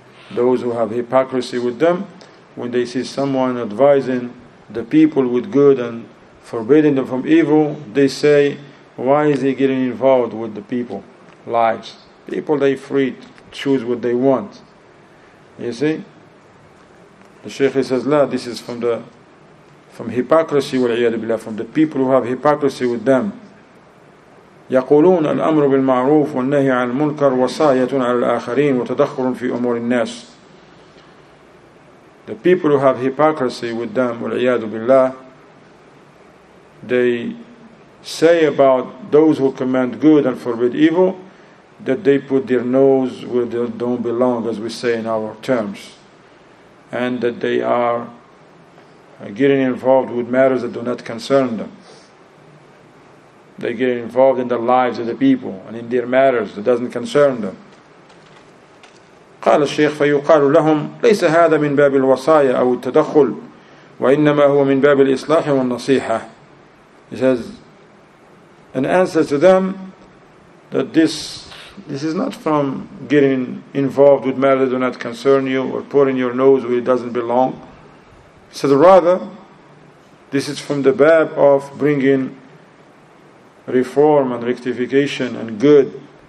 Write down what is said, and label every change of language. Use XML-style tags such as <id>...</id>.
<en>Those who have hypocrisy with them, when they see someone advising the people with good and forbidding them from evil, they say, why is he getting involved with the people, lives? People, they free to choose what they want. You see? The Shaykh says, "La, this is from hypocrisy,</en> <ar>wal-iyadu billah,</ar> <en>from the people who have hypocrisy with them.</en> <ar>يقولون الأمر بالمعروف والنهي عن المنكر وصاية على الآخرين وتدخل في أمور الناس.</ar> <en>The people who have hypocrisy with them,</en> <ar>wal-iyadu billah,</ar> <en>they say about those who command good and forbid evil, that they put their nose where they don't belong, as we say in our terms, and that they are getting involved with matters that do not concern them. They get involved in the lives of the people and in their matters that doesn't concern them.</en> <ar>قال الشيخ فيقال لهم ليس هذا من باب الوصايا أو التدخل وإنما هو من باب الإصلاح والنصيحة.</ar> <en>He says, an answer to them, that this is not from getting involved with matters that do not concern you or putting your nose where it doesn't belong. He says, rather, this is from the bab of bringing reform and rectification and good.</en>